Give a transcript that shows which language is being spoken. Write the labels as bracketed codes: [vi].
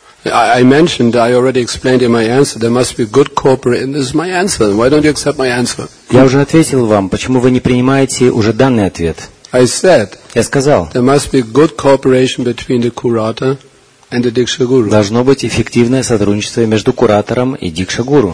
[en] I mentioned, I already explained in my answer, there must be good cooperation. This is my answer. Why don't you accept my answer? [ru] Я уже ответил вам, почему вы не принимаете уже данный ответ? [en] I said, [ru] я сказал, [en] there must be good cooperation between the curator and the Dikshaguru. [ru] Должно быть эффективное сотрудничество между куратором и Дикшагуру.